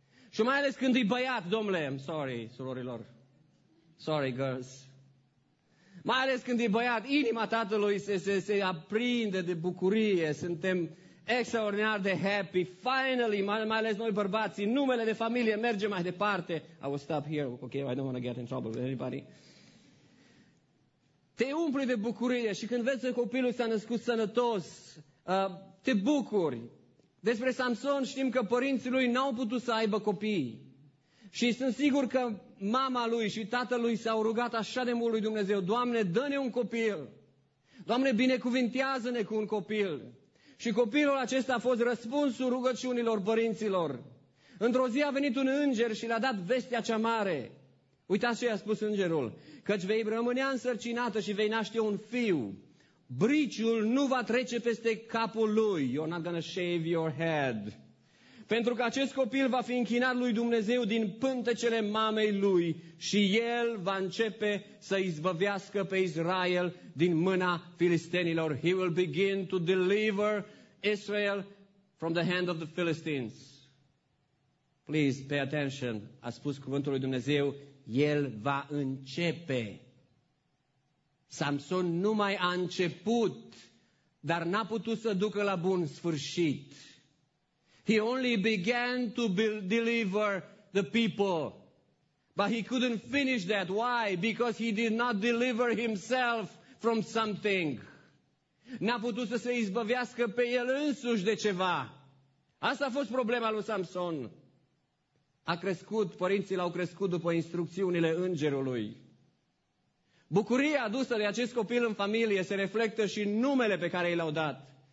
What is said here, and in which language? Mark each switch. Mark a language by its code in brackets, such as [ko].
[ro] Și mai ales când e băiat, domnule, [en] I'm sorry, [ro] surorilor. [en] Sorry, girls. [ro] Mai ales când e băiat, inima tatălui se aprinde de bucurie. Suntem extraordinar de happy. Finally, mai ales noi bărbații, numele de familie merge mai departe. [en] I will stop here, okay, I don't want to get in trouble with anybody. [ro] Te umpli de bucurie și când vezi că copilul s-a născut sănătos, te bucuri. Despre Samson știm că părinții lui n-au putut să aibă copii. Și sunt sigur că mama lui și tatălui s-au rugat așa de mult lui Dumnezeu: Doamne, dă-ne un copil! Doamne, binecuvintează-ne cu un copil! Și copilul acesta a fost răspunsul rugăciunilor părinților. Într-o zi a venit un înger și le-a dat vestea cea mare. Uitați ce i-a spus îngerul: căci vei rămânea însărcinată și vei naște un fiu. Briciul nu va trece peste capul lui. [en] You're not gonna shave your head. [ro] Pentru că acest copil va fi închinat lui Dumnezeu din pântecele mamei lui și el va începe să izbăvească pe Israel din mâna filistenilor. [en] He will begin to deliver Israel from the hand of the Philistines. Please pay attention. [ro] A spus cuvântul lui Dumnezeu, el va începe. Samson nu mai a început, dar n-a putut să ducă la bun sfârșit. [en] He only began to deliver the people. But he couldn't finish that. Why? Because he did not deliver himself from something. [ro] N-a putut să se izbăvească pe el însuși de ceva. Asta a fost problema lui Samson. A crescut, părinții l-au crescut după instrucțiunile îngerului. Bucuria adusă de acest copil în familie se reflectă și în numele pe care i l-au dat.